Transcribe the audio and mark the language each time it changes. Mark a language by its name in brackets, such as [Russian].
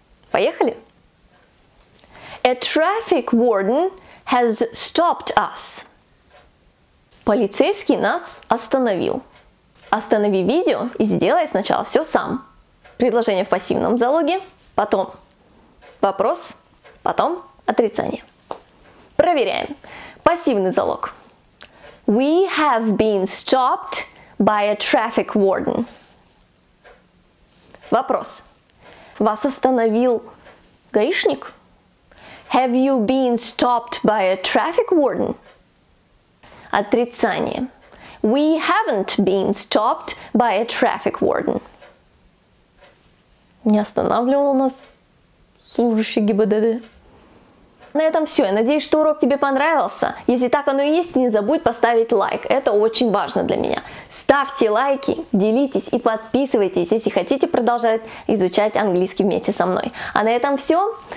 [Russian] Поехали? [English] A traffic warden has stopped us. [Russian] Полицейский нас остановил. Останови видео и сделай сначала все сам. Предложение в пассивном залоге, потом вопрос, потом отрицание. Проверяем. Пассивный залог. [English] We have been stopped by a traffic warden. [Russian] Вопрос. Вас остановил гаишник? [English] Have you been stopped by a traffic warden? [Russian] Отрицание. [English] We haven't been stopped by a traffic warden. [Russian] Не останавливал нас служащий ГИБДД. На этом все. Я надеюсь, что урок тебе понравился. Если так оно и есть, не забудь поставить лайк. Это очень важно для меня. Ставьте лайки, делитесь и подписывайтесь, если хотите продолжать изучать английский вместе со мной. А на этом все.